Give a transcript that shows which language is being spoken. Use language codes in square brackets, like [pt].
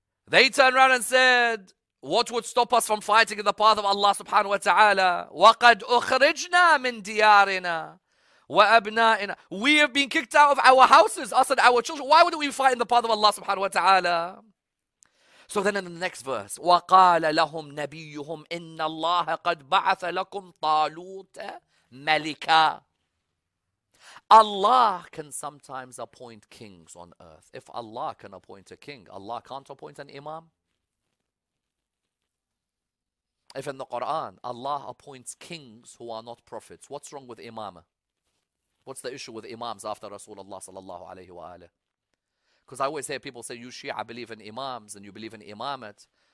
[en] They turned around and said, what would stop us from fighting in the path of Allah subhanahu wa ta'ala? [ar] وَقَدْ أُخْرِجْنَا مِنْ دِيَارِنَا وَأَبْنَائِنَا. [en] We have been kicked out of our houses, us and our children. Why wouldn't we fight in the path of Allah subhanahu wa ta'ala? So then in the next verse, [ar] وَقَالَ لَهُمْ نَبِيُّهُمْ إِنَّ اللَّهَ قَدْ بَعَثَ لَكُمْ طَالُوتَ مَلِكًا. [en] Allah can sometimes appoint kings on earth. If Allah can appoint a king, Allah can't appoint an imam. If in the Quran, Allah appoints kings who are not prophets, what's wrong with imama? What's the issue with imams after Rasulullah sallallahu alayhi wa alayhi? Because I always hear people say, you Shia believe in imams and you believe in imamate.